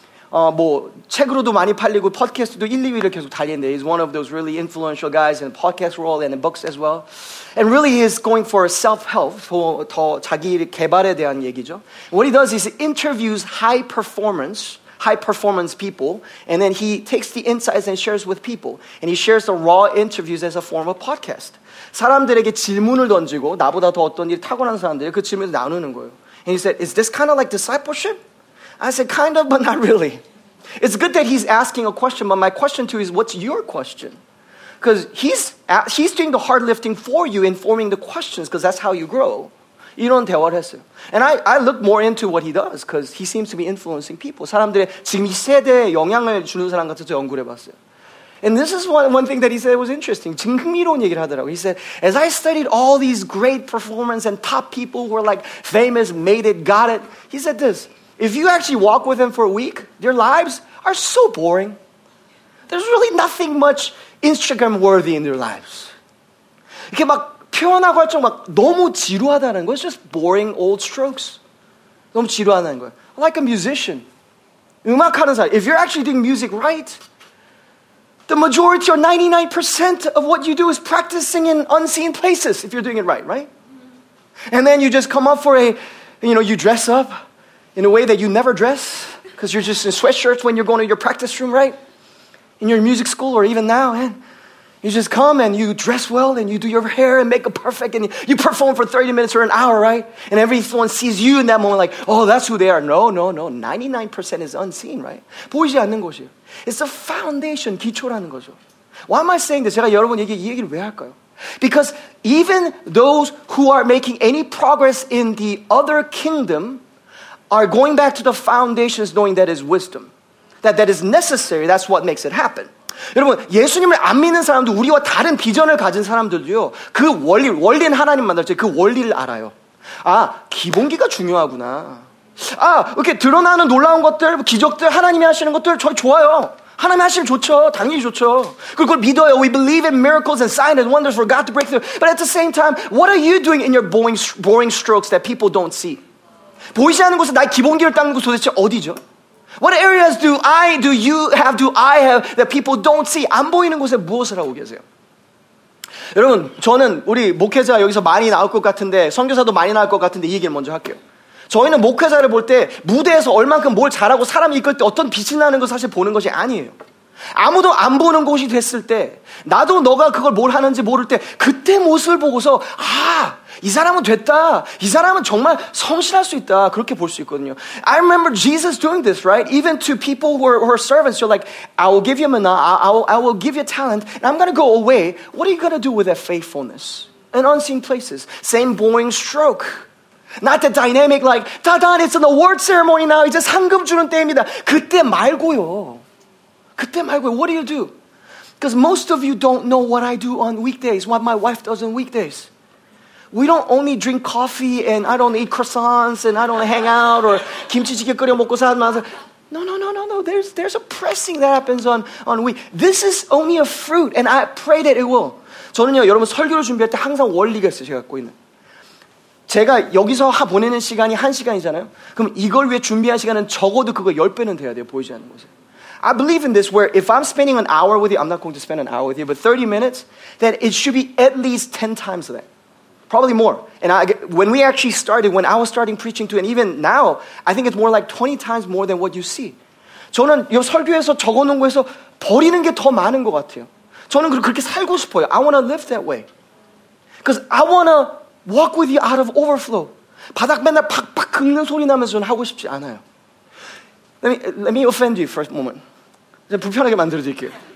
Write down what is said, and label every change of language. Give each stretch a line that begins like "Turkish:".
Korean: 뭐 책으로도 많이 팔리고 팟캐스트도 1, 2위를 계속 달리는데
English: he's one of those really influential guys in the podcast world and in books as well. And really he's going for self-help,
Korean: 더 자기 개발에 대한 얘기죠.
English: And what he does is he interviews high performance, high performance people, and then he takes the insights and shares with people, and he shares the raw interviews as a form of podcast.
Korean: 사람들에게 질문을 던지고 나보다 더 어떤 일 탁월한 사람들이 그 질문을 나누는 거예요.
English: And he said, "Is this kind of like discipleship?" I said, "Kind of, but not really." It's good that he's asking a question, but my question to you is, what's your question? Because he's doing the hard lifting for you in forming the questions, because that's how you grow.
Korean: 이런 대화를 했어요.
English: And I look more into what he does, because he seems to be influencing people.
Korean: 사람들의 지금 이 세대에 영향을 주는 사람 같아서 연구를 해봤어요.
English: And this is one thing that he said was interesting.
Korean: 지금 흥미로운 얘기를 하더라고요.
English: He said, as I studied all these great performers and top people who are like famous, made it, got it, he said this, if you actually walk with them for a week, their lives are so boring. There's really nothing much Instagram worthy in their lives.
Korean: 이렇게 막 표현하고 할 정도 막 너무 지루하다는 거.
English: It's just boring old strokes.
Korean: 너무 지루하다는 거.
English: Like a musician.
Korean: 음악하는 사람.
English: If you're actually doing music right, the majority or 99% of what you do is practicing in unseen places if you're doing it right, right? And then you just come up for a, you know, you dress up in a way that you never dress because you're just in sweatshirts when you're going to your practice room, right? In your music school or even now, and you just come and you dress well and you do your hair and make it perfect and you perform for 30 minutes or an hour, right? And everyone sees you in that moment like, oh, that's who they are. No, no, no. 99% is unseen, right?
Korean: 보이지 않는 곳이에요.
English: It's a foundation,
Korean: 기초라는 거죠.
English: Why am I saying this?
Korean: 제가 여러분에게 이 얘기를 왜 할까요?
English: Because even those who are making any progress in the other kingdom are going back to the foundations knowing that is wisdom. That is necessary. That's what makes it happen.
Korean: 여러분, 예수님을 안 믿는 사람도 우리와 다른 비전을 가진 사람들도요. 그 원리는 하나님 만날 때 그 원리를 알아요. 아, 기본기가 중요하구나. 아, 이렇게 드러나는 놀라운 것들, 기적들, 하나님이 하시는 것들 저 좋아요. 하나님이 하시면 좋죠. 당연히 좋죠. 그리고 그걸 믿어요.
English: We believe in miracles and signs and wonders for God to break through. But at the same time, what are you doing in your boring strokes that people don't see?
Korean: 보이지 않는 곳에 나의 기본기를 닦는 곳 도대체 어디죠?
English: What areas do I have that people don't see?
Korean: 안 보이는 곳에 무엇을 하고 계세요? 여러분, 저는 우리 목회자 여기서 많이 나올 것 같은데, 선교사도 많이 나올 것 같은데 이 얘기를 먼저 할게요. 저희는 목회자를 볼 때 무대에서 얼만큼 뭘 잘하고 사람이 이끌 때 어떤 빛이 나는 걸 사실 보는 것이 아니에요. 아무도 안 보는 곳이 됐을 때 나도 너가 그걸 뭘 하는지 모를 때 그때 모습을 보고서 아, 이 사람은 됐다. 이 사람은 정말 성실할 수 있다. 그렇게 볼 수 있거든요.
English: I remember Jesus doing this, right? Even to people who are servants, you're like, I will give you mana, I will give you talent, and I'm going to go away. What are you going to do with that faithfulness? In unseen places. Same boring stroke. Not the dynamic like, ta-da, it's an award ceremony now.
Korean: 이제 상금 주는 때입니다. 그때 말고요. 그때 말고요.
English: What do you do? Because most of you don't know what I do on weekdays, what my wife does on weekdays. We don't only drink coffee and I don't eat croissants and I don't hang out or
Korean: 김치찌개 끓여 먹고 살면서.
English: No. There's a pressing that happens on week. This is only a fruit and I pray that it will.
Korean: 저는요, 여러분 설교를 준비할 때 항상 원리가 있어요. 제가 갖고 있는. 제가 여기서 보내는 시간이 1시간이잖아요. 그럼 이걸 위해 준비한 시간은 적어도 그거 10배는 돼야 돼요. 보이지 않는 곳에.
English: I believe in this where if I'm spending an hour with you, I'm not going to spend an hour with you, but 30 minutes, then it should be at least 10 times that. Probably more. And when I was starting preaching too, and even now, I think it's more like 20 times more than what you see.
Korean: 저는 이 설교에서 적어놓은 거에서 버리는 게 더 많은 것 같아요. 저는 그렇게 살고 싶어요.
English: I want to live that way. Because I want to walk with you out of overflow.
Korean: 바닥 맨날 팍팍 긁는 소리 나면서 저는 하고 싶지 않아요.
English: Let me offend you for a moment.
Korean: 좀 불편하게 만들어드릴게요.